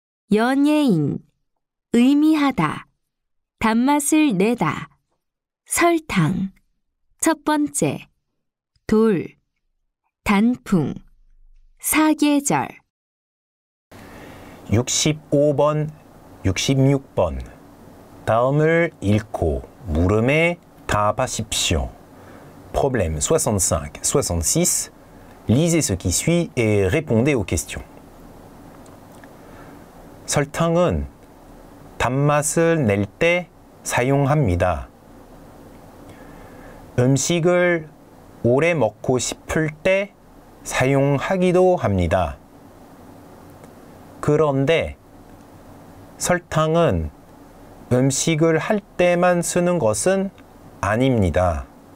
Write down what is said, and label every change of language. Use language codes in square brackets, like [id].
[ko] Yonyein, 의미하다, 단맛을 내다, 설탕, 첫 번째, 돌, 단풍, 사계절. 65번, 66번, 다음을 읽고 물음에 답하십시오. [fr] Problème 65, 66, lisez ce qui suit et répondez aux questions. [ko] 설탕은 단맛을 낼 때 사용합니다. 음식을 오래 먹고 싶을 때 사용하기도 합니다. 그런데 설탕은 음식을 할 때만 쓰는 것은 아닙니다.